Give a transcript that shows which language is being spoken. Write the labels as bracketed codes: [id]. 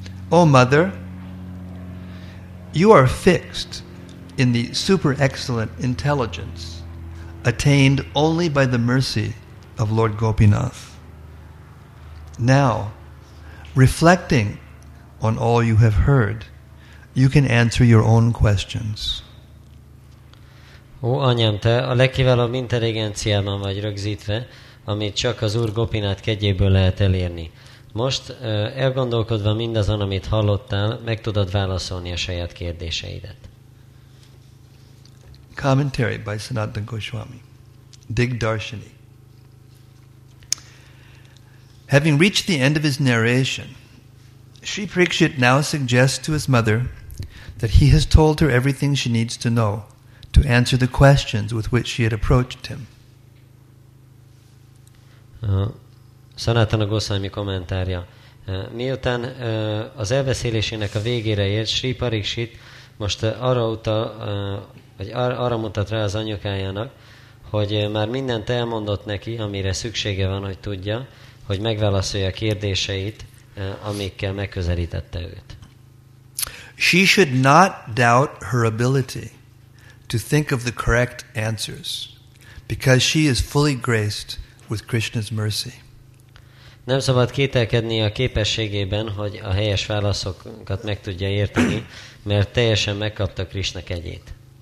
[en] O Mother, you are fixed in the super excellent intelligence attained only by the mercy of Lord Gopinath. Now, reflecting on all you have heard, you can answer your own questions. [hu] Ó, anyám, te a legkiválóbb intelligenciában vagy rögzítve, amit csak az Úr Gopinát kegyéből lehet elérni. Most, elgondolkodva mindazon, amit hallottál, meg tudod válaszolni a saját kérdéseidet. [en] Commentary by Sanatana Goswami, Dig Darshini. Having reached the end of his narration, Sri Parikshit now suggests to his mother that he has told her everything she needs to know to answer the questions with which she had approached him. [hu] Sanatana Goswami kommentárja. Miután az elbeszélésének a végére ért, Sri Parikshit most arra mutat rá az anyukájának, hogy már mindent elmondott neki, amire szüksége van, hogy tudja, hogy megválaszolja a kérdéseit, amikkel megközelítette őt. [en] She should not doubt her ability to think of the correct answers, because she is fully graced with Krishna's mercy. [hu] Nem szabad kételkedni a képességében, hogy a helyes válaszokat meg tudja érteni, mert teljesen megkapta Krishna kegyét.